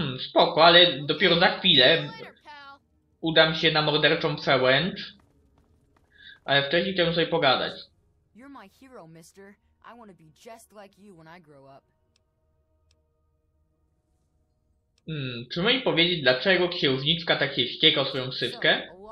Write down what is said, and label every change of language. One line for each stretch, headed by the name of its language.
Polish: spoko, ale dopiero za chwilę udam się na morderczą przełęcz. Ale wcześniej chciałem sobie pogadać.
English: You're my hero, mister. I want to be just like you when I grow up.
Polish: Czy mogę powiedzieć, dlaczego księżniczka tak się wścieka o swoją ksywkę?